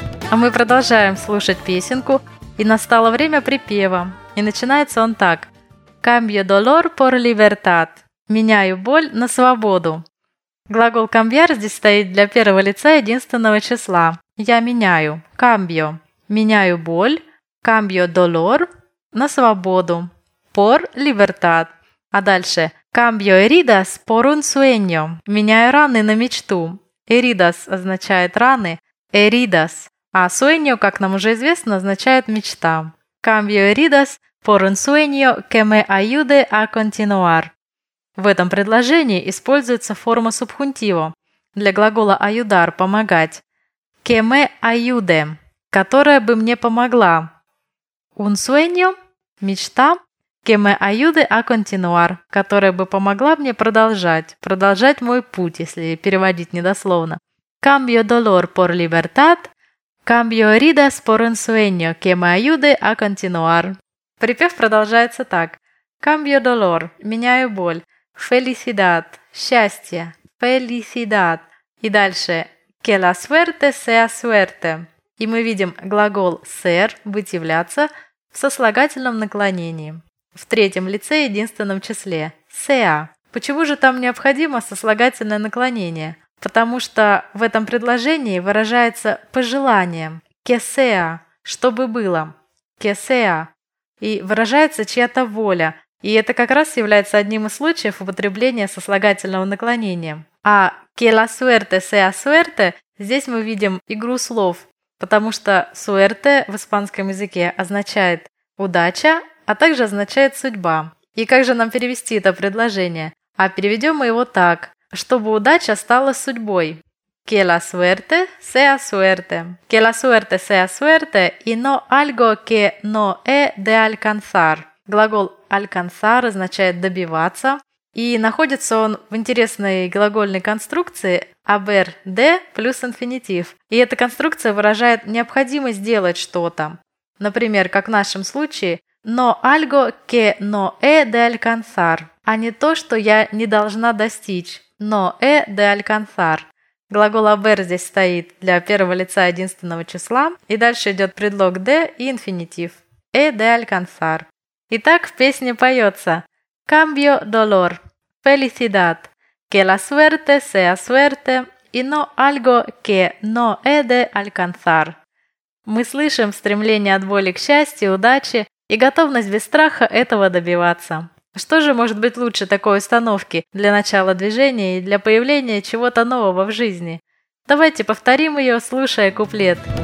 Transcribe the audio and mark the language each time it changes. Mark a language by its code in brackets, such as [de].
[ru] А мы продолжаем слушать песенку, и настало время припева. И начинается он так. [es] Cambio dolor por libertad. [ru] Меняю боль на свободу. Глагол cambiar здесь стоит для первого лица единственного числа. Я меняю. Cambio. Меняю боль. [es] Cambio dolor. [ru] На свободу. [es] Por libertad. [ru] А дальше. [es] Cambio heridas por un sueño. [ru] Меняю раны на мечту. Heridas означает раны. [es] Heridas. [ru] А sueño, как нам уже известно, означает мечта. [es] Cambio heridas por un sueño que me ayude a continuar. [ru] В этом предложении используется форма субхунтиво для глагола ayudar – помогать. [es] Que me ayude [ru] – которая бы мне помогла. [es] Un sueño – мечта. Que me ayude a continuar [ru] – которая бы помогла мне продолжать. Продолжать мой путь, если переводить недословно. [es] Cambio dolor por libertad. Cambio heridas por un sueño que me ayude a continuar. [ru] Припев продолжается так. [es] Cambio dolor [ru] – меняю боль. [es] Felicidad – счастье. [ru] Felicidad. И дальше. [es] Que la suerte sea suerte. [ru] И мы видим глагол ser – быть являться в сослагательном наклонении. В третьем лице единственном числе. [es] Sea. [ru] Почему же там необходимо сослагательное наклонение? Потому что в этом предложении выражается пожелание [es] «que sea», [ru] «чтобы было», «que sea», и выражается чья-то воля. И это как раз является одним из случаев употребления сослагательного наклонения. А [es] «que la suerte sea suerte» [ru] здесь мы видим игру слов, потому что «suerte» в испанском языке означает «удача», а также означает «судьба». И как же нам перевести это предложение? А переведем мы его так. Чтобы удача стала судьбой. [es] Que la suerte sea suerte. Que la suerte sea suerte y no algo que no he de alcanzar. [ru] Глагол alcanzar означает добиваться. И находится он в интересной глагольной конструкции haber de плюс инфинитив. И эта конструкция выражает необходимость сделать что-то. Например, как в нашем случае [es] no algo que no he de alcanzar. [ru] А не то, что я не должна достичь. Но «э» де «альканцар». Глагол «абер» здесь стоит для первого лица единственного числа. И дальше идет предлог «де» и инфинитив. [es] «E de alcanzar». [ru] Итак, в песне поется [es] «Cambio dolor, felicidad, que la suerte sea suerte y no algo que no he de alcanzar». [ru] Мы слышим стремление от боли к счастью, удаче и готовность без страха этого добиваться. Что же может быть лучше такой установки для начала движения и для появления чего-то нового в жизни? Давайте повторим ее, слушая куплет.